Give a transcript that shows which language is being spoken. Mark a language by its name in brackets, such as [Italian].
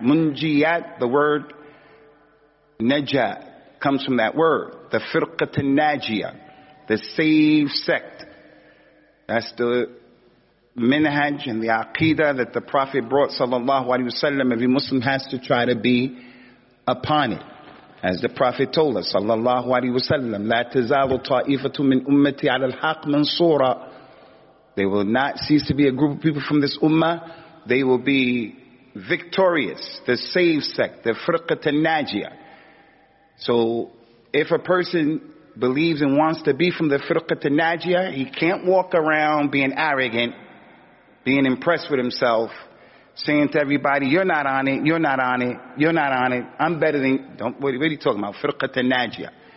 [English] Munjiyat, the word naja, comes from that word, the firqat al-najia, the saved sect. That's the minhaj and the aqidah that the Prophet brought, sallallahu alayhi wasallam. Every Muslim has to try to be upon it. As the Prophet told us, [Arabic] sallallahu alaihi wasallam, لا تزال طائفة من أمتي على الحق منصورة. [English] They will not cease to be a group of people from this ummah. They will be victorious. The saved sect, the [Arabic] فرقت الناجية. [English] So, if a person believes and wants to be from the [Arabic] فرقت الناجية, [English] he can't walk around being arrogant, being impressed with himself, saying to everybody, "You're not on it, you're not on it, you're not on it, I'm better than..." What are you talking about? Firqat al-Najiyah.